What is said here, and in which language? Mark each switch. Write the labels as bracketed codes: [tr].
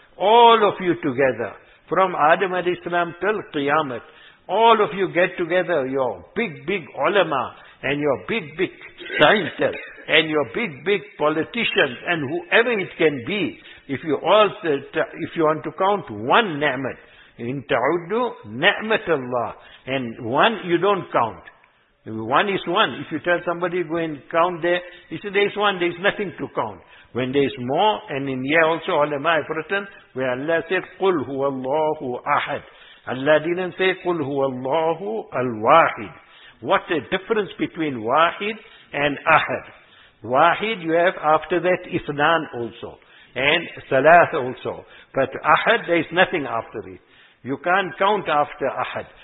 [en] All of you together, from Adam alayhi salam till Qiyamah, all of you get together, your big, big ulama, and your big, big scientists, and your big, big politicians, and whoever it can be, if you all said, if you want to count one ni'mat, [ar] in ta'uddu, ni'mat Allah, [en] and one you don't count. One is one. If you tell somebody, go and count there, he says, there is one, there is nothing to count. When there is more, and in here also, ulama have written, where Allah said, [ar] قُلْ هُوَ اللَّهُ أَحَدْ. [en] Allah didn't say, [ar] قُلْ هُوَ اللَّهُ الْوَاحِدْ. [en] What a difference between wahid and ahad. Wahid, you have after that isnan also, and salat also. But ahad, there is nothing after it. You can't count after ahad.